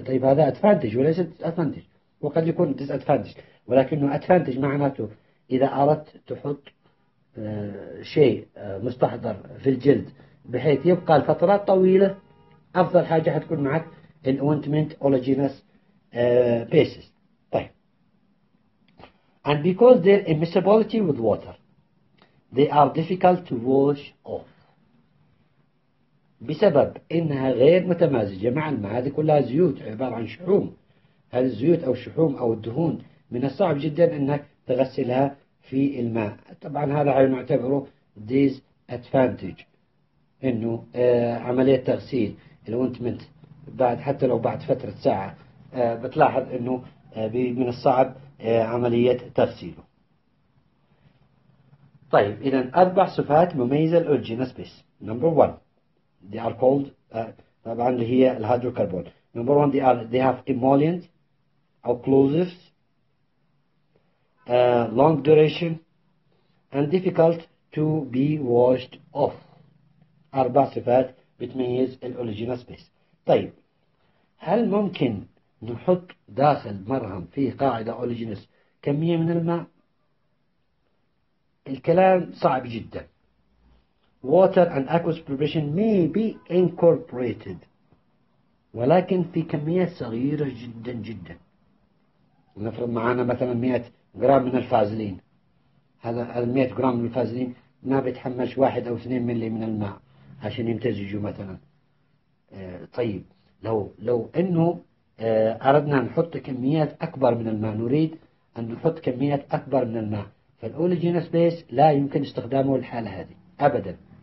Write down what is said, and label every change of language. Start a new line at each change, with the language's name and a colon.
Arabic: طيب هذا أدفانتج وليس أدفانتج، وقد يكون ديس أدفانتج، ولكنه أدفانتج معناته إذا أردت تحط شيء مستحضر في الجلد بحيث يبقى لفترات طويلة، أفضل حاجة حتكون معك الأوينتمنت أولوجينس بيسس.
English: طيب and because their immiscibility with water they are difficult to wash off.
Arabic: بسبب انها غير متمازجه مع الماء، هذه كلها زيوت عباره عن شحوم، هذه الزيوت او الشحوم او الدهون من الصعب جدا انك تغسلها في الماء. طبعا هذا نعتبره ديز ادفانتج، انه عمليه تغسيل الونتمنت بعد حتى لو بعد فتره ساعه بتلاحظ انه من الصعب عمليه تغسيله. طيب اذا اربع صفات مميزه للاورجينس بيس. نمبر 1
English: they are called
Arabic: طبعا اللي هي الهيدروكربون.
English: Number 1 they have emollient occlusives long duration and difficult to be washed off.
Arabic: اربع صفات بتميز الاولوجينس بيس. طيب هل ممكن نحط داخل مرهم فيه قاعده اولوجينس كميه من الماء؟ الكلام صعب جدا.
English: Water and aqueous preparation may be incorporated
Arabic: ولكن في كميات صغيرة جدا جدا. نفرض معانا مثلا 100 جرام من الفازلين، هذا 100 جرام من الفازلين ما بيتحمل 1 أو 2 ملي من الماء عشان يمتزجوا مثلا. طيب لو انه اردنا نحط كميات اكبر من الماء، نريد ان نحط كميات اكبر من الماء، فالاوليجينس بيس لا يمكن استخدامه للحالة هذه ابدا.